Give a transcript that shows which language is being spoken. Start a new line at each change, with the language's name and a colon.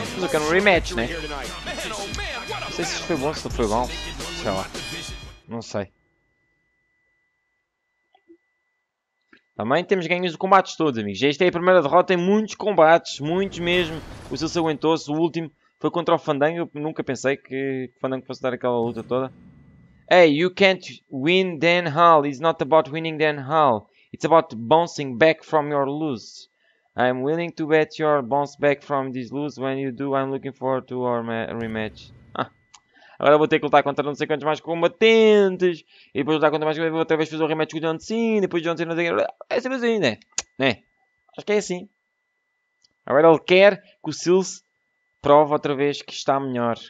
Portuguese: Mas eu quero um rematch, né? Não sei se isto foi bom, se não foi bom. Sei lá. Não sei. Também temos ganhos de combates todos, amigos. Esta é a primeira derrota em muitos combates. Muitos mesmo. O Silas aguentou-se. O último foi contra o Fandango. Eu nunca pensei que o Fandango fosse dar aquela luta toda.
English: Hey, you can't win Dan Hall. It's not about winning Dan Hall. It's about bouncing back from your lose. I'm willing to bet your bounce back from this lose. When you do, I'm looking forward to our rematch.
Portuguese: Agora vou ter que lutar contra não sei quantos mais combatentes. E depois lutar contra mais combatentes. Vou outra vez fazer o rematch com o John Cena. Depois o John Cena. É assim mesmo, né? Né? Acho que é assim. Agora ele quer que o Silas prove outra vez que está melhor.